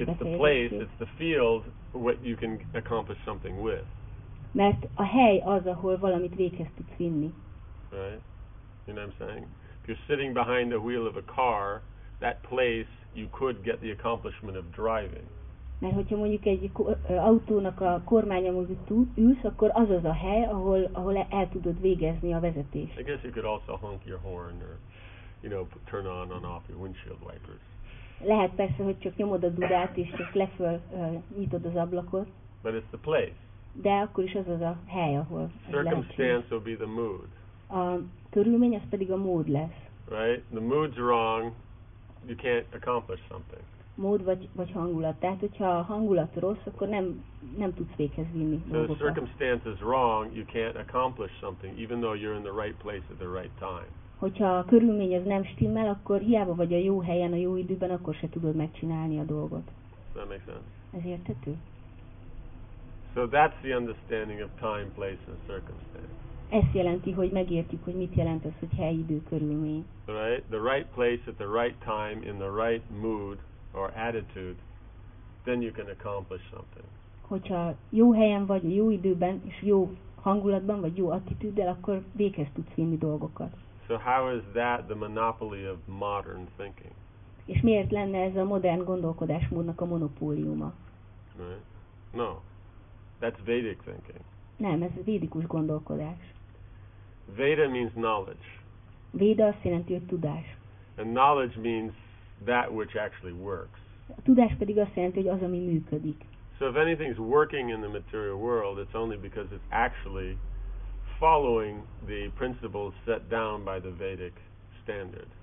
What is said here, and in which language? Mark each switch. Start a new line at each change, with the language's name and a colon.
English: it's the place, it's the field what you can accomplish something with.
Hungarian: Mert a hely az, ahol valamit véghez tudsz vinni.
English: Right? You know what I'm saying? If you're sitting behind the wheel of a car, that place you could get the accomplishment of driving.
Hungarian: Mert hogyha mondjuk egy autónak a kormánya mögött ülsz, akkor az az a hely, ahol el tudod végezni a vezetést.
English: I guess you could also honk your horn or, you know, turn on and off your windshield wipers.
Hungarian: Lehet persze, hogy csak nyomod a dudát és csak leföl nyitod az ablakot.
English: But it's the place.
Hungarian: De akkor is az az a hely, ahol
English: Circumstance will be the mood.
Hungarian: A körülmény az pedig a mód lesz.
English: Right? The mood's wrong, you can't accomplish something.
Hungarian: Mód vagy hangulat. Tehát, hogyha a hangulat rossz, akkor nem tudsz véghez vinni dolgokat.
English: So the circumstance is wrong, you can't accomplish something, even though you're in the right place at the right time.
Hungarian: Hogyha a körülmény az nem stimmel, akkor hiába vagy a jó helyen, a jó időben, akkor se tudod megcsinálni a dolgot.
English: Does that make sense?
Hungarian: Ez érthető?
English: So that's the understanding of time, place and circumstance.
Hungarian: Ez jelenti, hogy megértjük, hogy mit jelent az, hogy hely, idő, körülmény.
English: Right? The right place at the right time in the right mood or attitude, then you can accomplish something.
Hungarian: Hogyha jó helyen vagy, jó időben, és jó hangulatban, vagy jó attitűddel, akkor véghez tudsz vinni dolgokat.
English: So how is that the monopoly of modern thinking?
Hungarian: És miért lenne ez a modern gondolkodásmódnak a monopóliuma?
English: Right. No. That's Vedic thinking.
Hungarian: Nem, ez védikus gondolkodás.
English: Veda means knowledge.
Hungarian: Véda azt jelenti, hogy tudás.
English: And knowledge means that which actually works.
Hungarian: A tudás pedig azt jelenti, hogy az, ami működik.
English: So if anything's working in the material world, it's only because it's actually following the principles set down by the Vedic standard.